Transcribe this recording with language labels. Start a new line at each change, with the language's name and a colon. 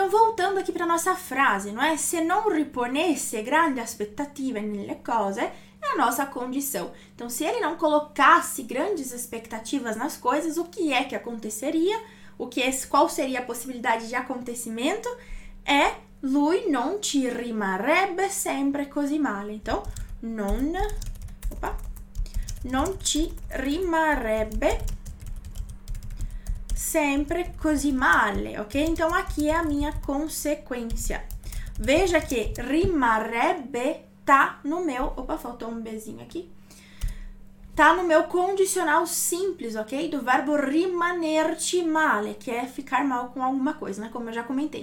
Portuguese: Então, voltando aqui para nossa frase, não é?
Italian: Se non riponesse grandi aspettative nelle cose,
Portuguese: é a nossa condição. Então, se ele não colocasse grandes expectativas nas coisas, o que é que aconteceria? Qual seria a possibilidade de acontecimento?
Italian: É lui non ci rimarrebbe sempre così male. Então, non ci rimarrebbe sempre così male, ok?
Portuguese: Então aqui é a minha consequência. Veja que rimarrebbe tá no meu. Opa, faltou um bezinho aqui. Tá no meu condicional simples, ok? Do verbo rimanerci male, que é ficar mal com alguma coisa, né? Como eu já comentei.